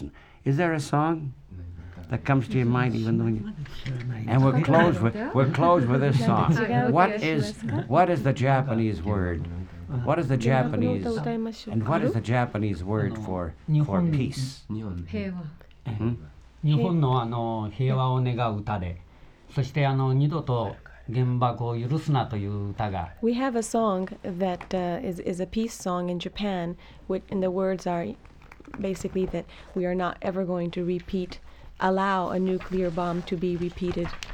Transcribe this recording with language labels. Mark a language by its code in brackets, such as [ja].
[en] And is there a song that comes to your mind even though you... And we'll close with this song. What is the Japanese word? What is the Japanese... And what is the Japanese word for peace? Mm-hmm. [ja] 日本の平和を願う歌で、そして二度と原爆を許すなという歌が。 [en] We have a song that is a peace song in Japan, which and the words are basically that we are not ever going to repeat, allow a nuclear bomb to be repeated.